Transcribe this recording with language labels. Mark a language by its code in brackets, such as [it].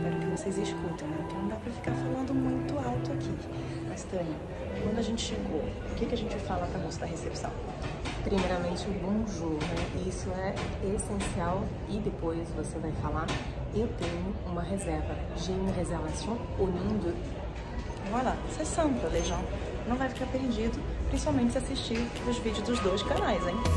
[pt] Vocês escutam, né? Porque não dá pra ficar falando muito alto aqui. Mas, Tânia, quando a gente chegou, o que que a gente fala pra moça da recepção? Primeiramente, bonjour, né? Isso é essencial. E depois você vai falar, eu tenho uma reserva. [fr] J'ai une réservation au nom de... Voilà, c'est simple, les gens. [pt] Não vai ficar perdido, principalmente se assistir os vídeos dos dois canais, hein?